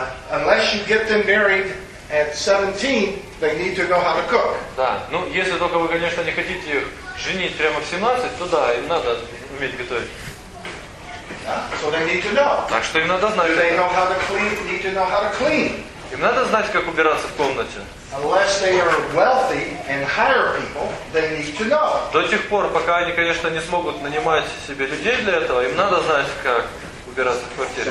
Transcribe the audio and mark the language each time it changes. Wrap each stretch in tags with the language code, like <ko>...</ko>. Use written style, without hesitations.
<en>Unless you get them married at 17, they need to know how to cook.</en> <ru>Да. Ну, если только вы, конечно, не хотите их женить прямо в 17, то да, им надо уметь готовить.</ru> <en>So they need to know.</en> <ru>Так что им надо знать.</ru> <en>Do they know how to clean? Need to know how to clean.</en> <ru>Им надо знать, как убираться в комнате.</ru> <en>Unless they are wealthy and hire people, they need to know.</en> <ru>До тех пор, пока они, конечно, не смогут нанимать себе людей для этого, им надо знать, как убираться в квартире.</ru>